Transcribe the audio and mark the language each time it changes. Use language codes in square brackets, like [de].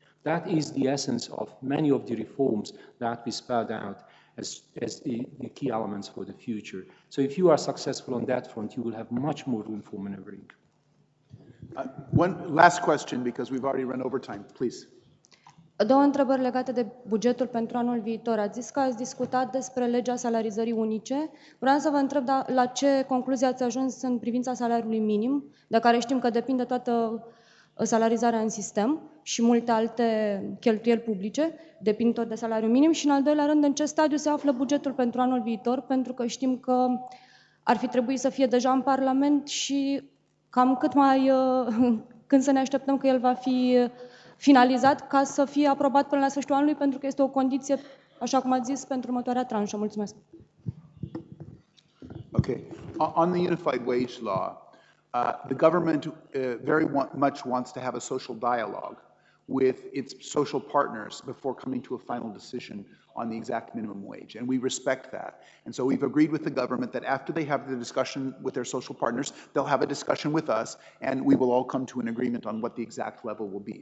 [en] That is the essence of many of the reforms that we spelled out as the key elements for the future. So if you are successful on that front, you will have much more room for maneuvering. One last question, because we've already run over time, please. [ro] Două întrebări legate de bugetul pentru anul viitor. Ați zis că ați discutat despre legea salarizării unice. Vreau să vă întreb la ce concluzie ați ajuns în privința salariului minim, de care știm că depinde toată salarizarea în sistem și multe alte cheltuieli publice, depind tot de salariul minim. Și în al doilea rând, în ce stadiu se află bugetul pentru anul viitor, pentru că știm că ar fi trebuit să fie deja în Parlament și cam cât mai când să ne așteptăm că el va fi finalizat ca să fie aprobat până la sfârșitul anului, pentru că este o condiție, așa cum ați zis, pentru următoarea tranșă. Mulțumesc. [en] Okay. On the unified wage law, the government very much wants to have a social dialogue with its social partners before coming to a final decision on the exact minimum wage. And we respect that. And so we've agreed with the government that after they have the discussion with their social partners, they'll have a discussion with us, and we will all come to an agreement on what the exact level will be.